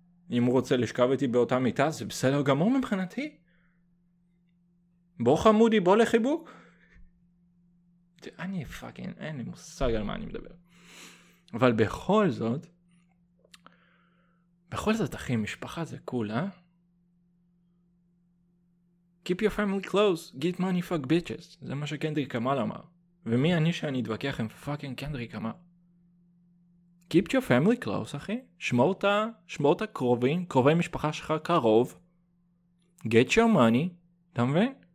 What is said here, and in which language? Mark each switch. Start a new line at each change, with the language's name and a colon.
Hebrew: אם הוא רוצה לשכב איתי באותה מיטה, זה בסדר גמור מבחינתי. בוא חמודי, בוא לחיבוק. אני פאקינג, אין לי מושג על מה אני מדבר. אבל בכל זאת, בכל זאת, אחי, משפחה זה קול, אה?
English: Keep your family close, get money fuck bitches.
Hebrew: זה מה שקנדריק קמאל אמר. ומי אני שאני אתווכח עם פאקינג קנדריק אמר?
English: Keep your family close,
Hebrew: אחי. שמור את הקרובים, קרובי משפחה שלך קרוב.
English: Get your money,
Hebrew: אתה מבין?